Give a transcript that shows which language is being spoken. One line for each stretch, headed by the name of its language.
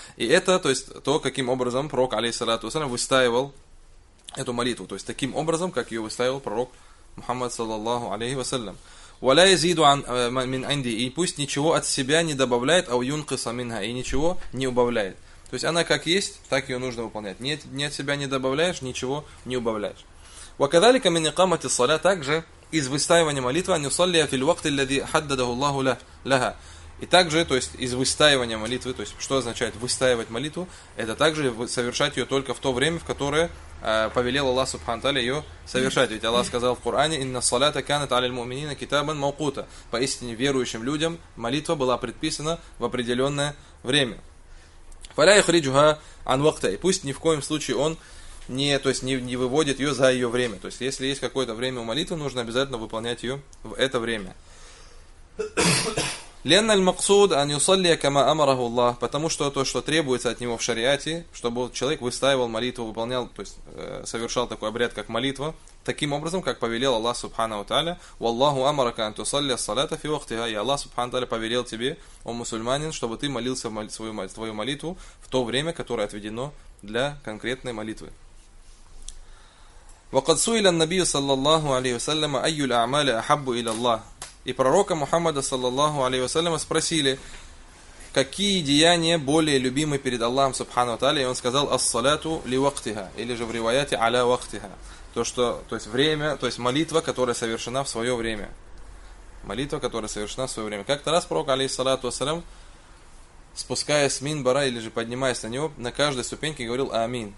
Russian: И это, то есть то, каким образом пророк алейхиссалату ва саллям выстаивал эту молитву, то есть таким образом, как ее выстаивал пророк Мухаммад саллаллаху алейхи ва саллям.
Arabic: وَلَا يَزِيدُ عَنْ مِنْ عَنْدِي.
Russian: И пусть ничего от себя не добавляет,
Arabic: а уюнкыса минха,
Russian: и ничего не убавляет. То есть она как есть, так ее нужно выполнять. Нет, ни от себя не добавляешь, ничего не убавляешь.
Arabic: وَكَذَلِكَ مِنْ إِقَامَةِ الصَّلَاةِ.
Russian: Также из выстаивания молитвы,
Arabic: أَنْ يُصَلِّيَ فِي الْوَقْتِ الَّذِي حَدَّدَهُ اللَّهُ لَهَا.
Russian: И также, то есть из выстаивания молитвы, то есть что означает выстаивать молитву, это также совершать ее только в то время, в которое повелел Аллах Субхану Тааля ее совершать. Ведь Аллах сказал в Коране
Arabic: «Инна салята канат аля аль-муминина китабан маукута».
Russian: Поистине верующим людям молитва была предписана в определенное время.
Arabic: «Фаля ихриджуха ан вакта».
Russian: И пусть ни в коем случае он не, то есть не выводит ее за ее время. То есть если есть какое-то время у молитвы, нужно обязательно выполнять ее в это время.
Arabic: لأن المقصود أن يصلي كما أمره الله,
Russian: потому что то, что требуется от него в шариате, чтобы человек выстаивал молитву, выполнял, то есть совершал такой обряд, как молитва, таким образом, как повелел Аллах Субхану Тааля.
Arabic: والله أمرك أن تصلي الصلاة في وقتها.
Russian: И Аллах Субхану Тааля повелел тебе, о мусульманин, чтобы ты молился в твою молитву в то время, которое отведено для конкретной молитвы.
Arabic: وقد سئل النبي صلى الله عليه وسلم أي الأعمال أحب إلى الله.
Russian: И пророка Мухаммада, саллаллаху алейхи вассаляма, спросили, какие деяния более любимы перед Аллахом, субхану тааля, и он сказал,
Arabic: ас-саляту ли вактиха,
Russian: или же в риваяте аля вактиха. То есть молитва, которая совершена в свое время. Молитва, которая совершена в свое время. Как-то раз пророк, алейхиссалату вассалям, спускаясь с минбара, или же поднимаясь на него, на каждой ступеньке говорил амин.